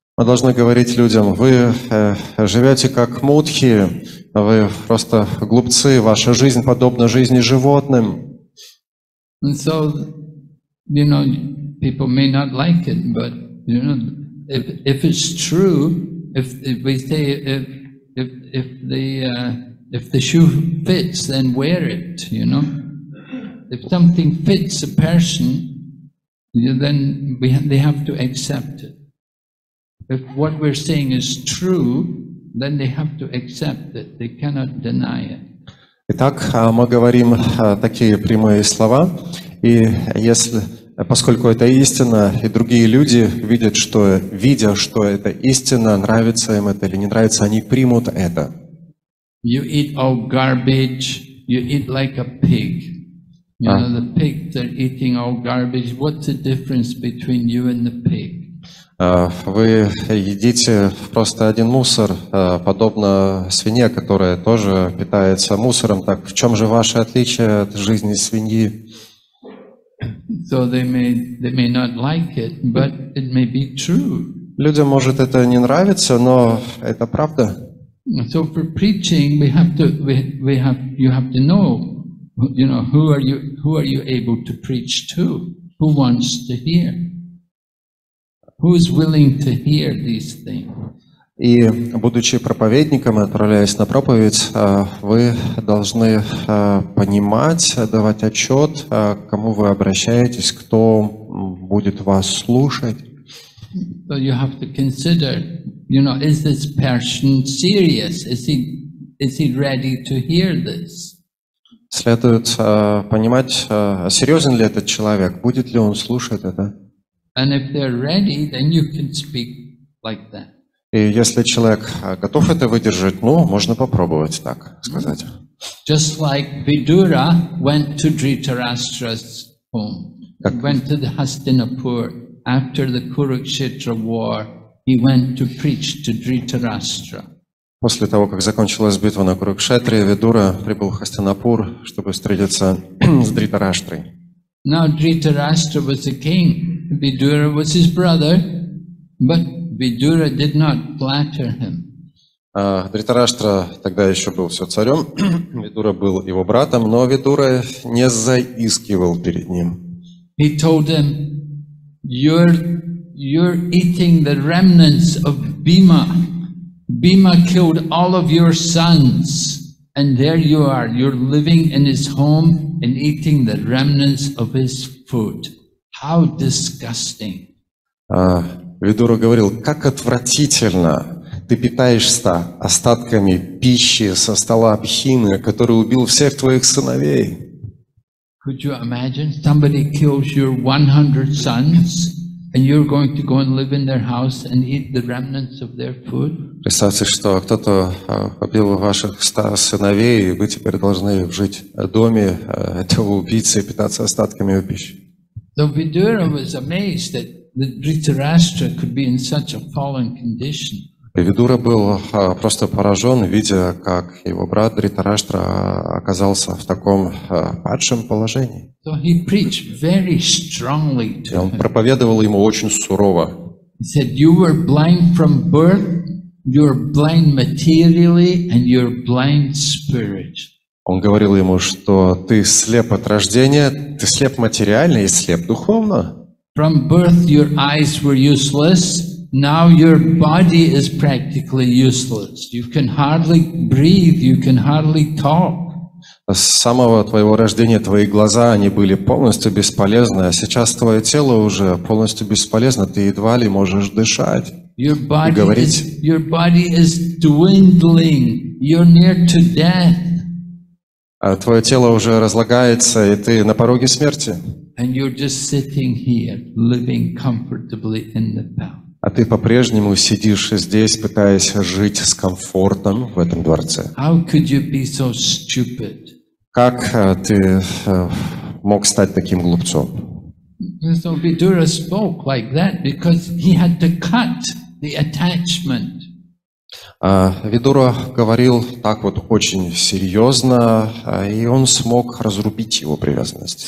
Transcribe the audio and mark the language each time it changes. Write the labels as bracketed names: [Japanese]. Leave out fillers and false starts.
[Russian] Мы должны говорить людям, вы живете как мудхи, вы просто глупцы, ваша жизнь подобна жизни животным. [English] And so, you know, people may not like it, but you know, if it's true, if the shoe fits, then wear it. You know, if something fits a person, then they have to accept it. If what we're saying is true, then they have to accept it. They cannot deny it. [Russian] Итак, мы говорим такие прямые слова, и если поскольку это истина, и другие люди видя, что это истина, нравится им это или не нравится, они примут это. [English] You eat all garbage, you eat like a pig. You know, the pigs are eating all garbage. What's the difference between you and the pig? [Russian] Вы едите просто один мусор, подобно свинье, которая тоже питается мусором. Так в чем же ваше отличие от жизни свиньи? [English] So they may not like it, but it may be true. [Russian] Людям может это не нравится, но это правда. [English] So for preaching, you have to know, you know, who are you able to preach to? Who wants to hear? Who is willing to hear these things? [Russian] И будучи проповедником, отправляясь на проповедь, вы должны понимать, давать отчет, кому вы обращаетесь, кто будет вас слушать. [English] So you have to consider, you know, is this person serious? Is he ready to hear this? [Russian] Следует понимать, серьезен ли этот человек, будет ли он слушать это. [English] And if they're ready, then you can speak like that. [Russian] И если человек готов это выдержать, ну, можно попробовать так сказать. [English] Just like Vidura went to Dhritarashtra's home. He went to the Hastinapur after the Kurukshetra war. He went to preach to Dhritarashtra. [Russian] После того, как закончилась битва на Курукшетре, Видура прибыл в Хастинапур, чтобы встретиться с Дритараштрой. [English] Now Dhritarashtra was the king. Vidura was his brother, but Vidura did not flatter him. [Russian] Dhritarashtra тогда еще был все царем, Vidura был его братом, но Vidura не заискивал перед ним. [English] He told him, you're eating the remnants of Bhima. Bhima killed all of your sons, and there you are. You're living in his home and eating the remnants of his food. How disgusting! [Russian] Видура говорил, как отвратительно, ты питаешься остатками пищи со стола Бхимы, который убил всех твоих сыновей. [English] Could you imagine, somebody kills your 100 sons, and you're going to go and live in their house and eat the remnants of their food? [Russian] Представьте, что кто-то убил ваших 100 сыновей, и вы теперь должны жить в доме этого убийцы и питаться остатками его пищи. [English] So Vidura was amazed that the Dhritarashtra could be in such a fallen condition. [Russian] Vidura был просто поражен, видя, как его брат Dhritarashtra оказался в таком падшем положении. [English] So he preached very strongly to him. [Russian] Он проповедовал ему очень сурово. [English] He said, "You were blind from birth. You're blind materially, and you're blind spiritually." [Russian] Он говорил ему, что ты слеп от рождения, ты слеп материально и слеп духовно. [English] From birth your eyes were useless, Now your body is practically useless. You can hardly breathe, you can hardly talk. [Russian] С самого твоего рождения твои глаза, они были полностью бесполезны, а сейчас твое тело уже полностью бесполезно, ты едва ли можешь дышать и говорить. [English] Your body is dwindling. You're near to death. [Russian] А твое тело уже разлагается, и ты на пороге смерти. [English] And you're just sitting here, living comfortably in the palace. [Russian] А ты по-прежнему сидишь здесь, пытаясь жить с комфортом в этом дворце. [English] How could you be so stupid? [Russian] Как ты мог стать таким глупцом? [English] So Vidura spoke like that because he had to cut the attachment. [Russian] Vidura говорил так вот очень серьезно, и он смог разрубить его привязанность.